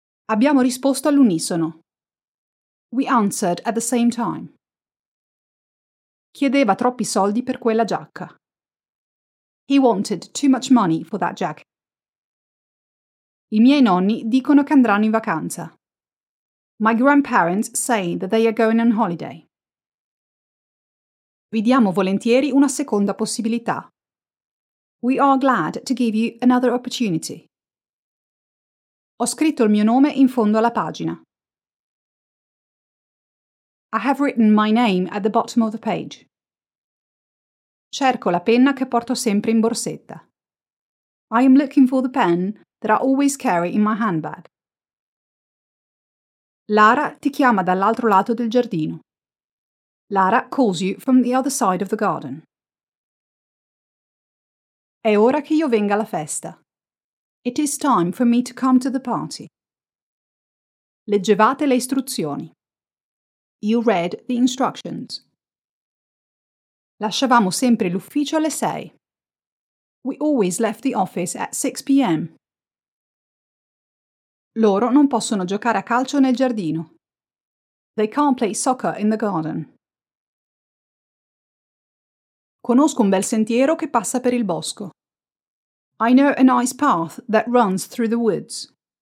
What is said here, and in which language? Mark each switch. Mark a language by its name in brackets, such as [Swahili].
[Italian] Abbiamo risposto all'unisono. [English] We answered at the same time. [Italian] Chiedeva troppi soldi per quella giacca. [English] He wanted too much money for that jacket. [Italian] I miei nonni dicono che andranno in vacanza. [English] My grandparents say that they are going on holiday. [Italian] Vi diamo volentieri una seconda possibilità. [English] We are glad to give you another opportunity. [Italian] Ho scritto il mio nome in fondo alla pagina. [English] I have written my name at the bottom of the page. [Italian] Cerco la penna che porto sempre in borsetta. [English] I am looking for the pen that I always carry in my handbag. [Italian] Lara ti chiama dall'altro lato del giardino. [English] Lara calls you from the other side of the garden. [Italian] È ora che io venga alla festa. [English] It is time for me to come to the party. [Italian] Leggevate le istruzioni. [English] You read the instructions. [Italian] Lasciavamo sempre l'ufficio alle 6. [English] We always left the office at 6 p.m. [Italian] Loro non possono giocare a calcio nel giardino. [English] They can't play soccer in the garden. [Italian] Conosco un bel sentiero che passa per il bosco. [English] I know a nice path that runs through the woods.